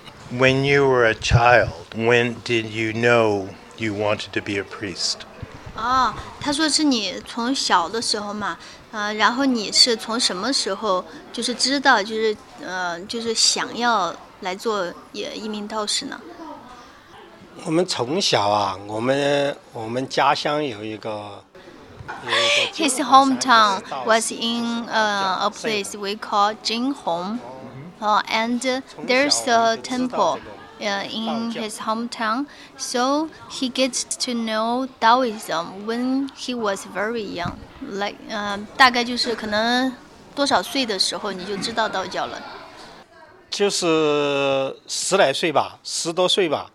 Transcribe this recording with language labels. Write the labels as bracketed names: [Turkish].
[English] When you were a child, when did you know you wanted to be a priest? [Chinese] 他说是你从小的时候嘛。然后你是从什么时候就是知道就是想要来做一名道士呢？我们从小啊，我们家乡有一个。 His hometown was in a place we call Jinghong, and there's a temple in his hometown. [English] So he gets to know Taoism when he was very young. [Chinese] Like, 大概就是可能多少岁的时候你就知道道教了？就是十来岁吧，十多岁吧。